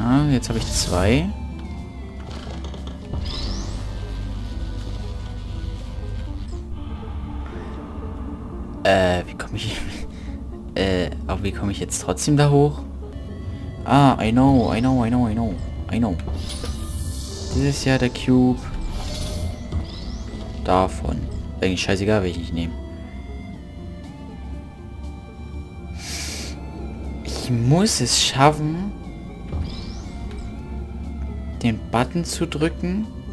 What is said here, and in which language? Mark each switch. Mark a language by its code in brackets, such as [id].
[de] Jetzt habe ich zwei. Wie komme ich... aber wie komme ich jetzt trotzdem da hoch? [en] Ah, I know, I know, I know, I know, I know. [de] Das ist ja der Cube davon. Eigentlich scheißegal, welchen ich nehme. Ich muss es schaffen, den Button zu drücken.